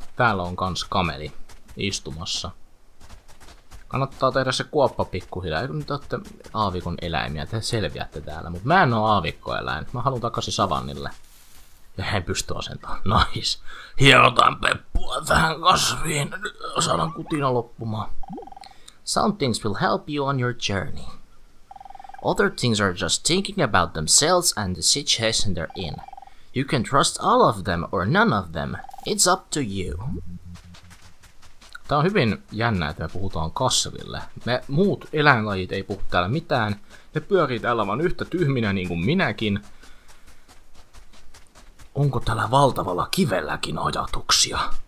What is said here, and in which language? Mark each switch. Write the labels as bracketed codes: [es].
[fi] Täällä on kans kameli istumassa. Kannattaa tehdä se kuoppa pikkuhiljaa, kun te olette aavikon eläimiä, te selviätte täällä. Mut mä en oo aavikkoeläin, mä haluun takaisin savannille. Ja en pysty asentamaan, nice. Hierotaan peppua tähän kasviin, saadaan kutina loppumaan. [en] Some things will help you on your journey. Other things are just thinking about themselves and the situation they're in. You can trust all of them or none of them. It's up to you. [fi] Tää on hyvin jännä, että me puhutaan kasville. Me muut eläinlajit ei puhu täällä mitään. Ne pyörii täällä vaan yhtä tyhminä niin kuin minäkin. Onko täällä valtavalla kivelläkin ajatuksia?